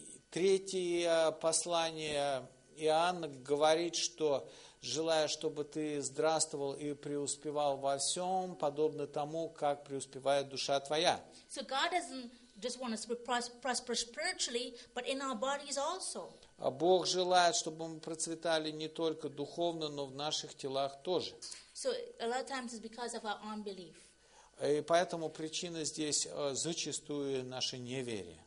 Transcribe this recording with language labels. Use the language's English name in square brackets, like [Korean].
[Russian] Третье послание Иоанна говорит, что желая, чтобы ты здравствовал и преуспевал во всем, подобно тому, как преуспевает душа твоя. [English] So God doesn't just want us to prosper spiritually, but in our bodies also. [Russian] Бог желает, чтобы мы процветали не только духовно, но в наших телах тоже. [English] So a lot of times it's because of our unbelief. [Russian] И поэтому причина здесь зачастую наше неверие.